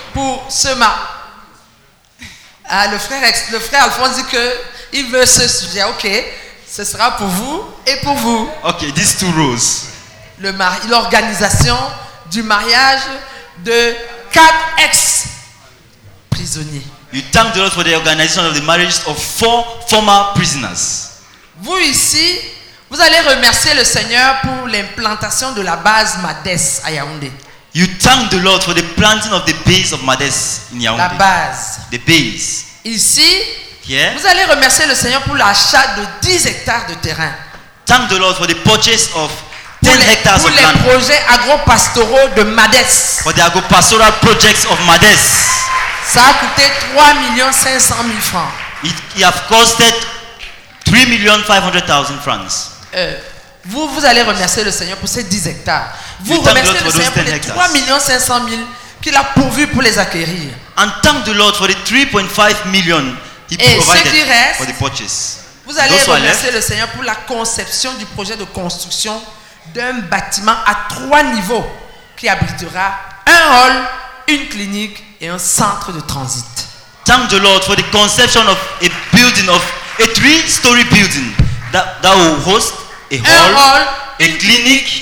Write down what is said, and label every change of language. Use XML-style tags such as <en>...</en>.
<fr>Pour ce le frère Alphonse dit que il veut ce sujet. Ok, ce sera pour vous et pour vous.</fr> <en>Ok, these two rows.</en> <fr>Le mari, l'organisation du mariage de 4 ex prisonniers.</fr> <en>You thank the Lord for the organization of the marriage of 4 former prisoners.</en> <fr>Vous ici. Vous allez remercier le Seigneur pour l'implantation de la base MADES à Yaoundé.</fr> <en>You thank the Lord for the planting of the base of MADES in Yaoundé.</en> <fr>La base.</fr> <en>The base.</en> <fr>Ici,</fr> <en>here,</en> <fr>vous allez remercier le Seigneur pour l'achat de 10 hectares de terrain.</fr> <en>Thank the Lord for the purchase of 10 hectares of land.</en> <fr>Pour les projets agro-pastoraux de MADES.</fr> <en>For the agro-pastoral projects of MADES.</en> <fr>Ça a coûté 3 500 000 francs.</fr> <en>It have costed 3,500,000 francs.</en> <fr>Vous allez remercier le Seigneur pour ces 10 hectares. Vous remerciez le Seigneur pour les 3,500,000 qu'il a pourvus pour les acquérir.</fr> <en>And thank the Lord for the 3.5 million he provided for the purchase.</en> <fr>Vous allez remercier le Seigneur pour la conception du projet de construction d'un bâtiment à 3 niveaux qui abritera un hall, une clinique et un centre de transit.</fr> <en>Thank the Lord for the conception of a building of a 3-story building that will host a hall, a clinic,</en>